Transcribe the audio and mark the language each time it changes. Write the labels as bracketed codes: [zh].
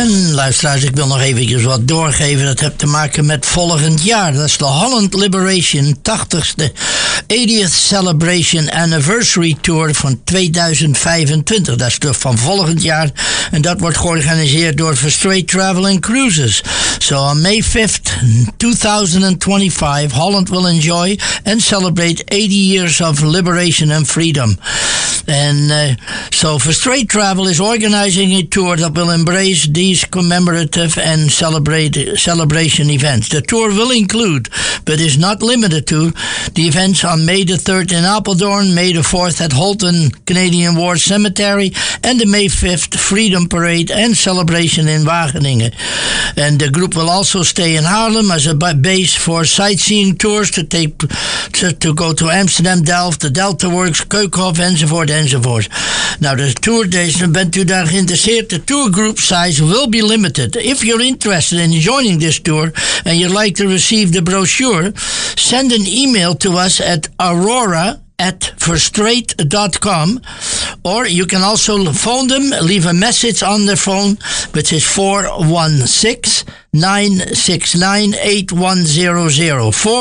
[nl] Luisteraars, ik wil nog eventjes wat doorgeven. Dat heeft te maken met volgend jaar. Dat is de Holland Liberation 80ste 80th Celebration Anniversary Tour van 2025. Dat is de van volgend jaar. En dat wordt georganiseerd door Verstrayed Traveling Cruises. [en] So on May 5th, 2025, Holland will enjoy and celebrate 80 years of liberation and freedom. And so for Straight Travel is organizing a tour that will embrace these commemorative and celebration events. The tour will include, but is not limited to, the events on May the 3rd in Apeldoorn, May the 4th at Holton Canadian War Cemetery, and the May 5th Freedom Parade and Celebration in Wageningen. And the group will also stay in Haarlem as a base for sightseeing tours to go to Amsterdam, Delft, the Delta Works, Keukenhof, enzovoort. Now, the tour days, [nl] bent u daar geïnteresseerd? [en] The tour group size will be limited. If you're interested in joining this tour and you'd like to receive the brochure, send an email to us at aurora@verstraet.com, or you can also phone them, leave a message on their phone, which is 416-969-8100.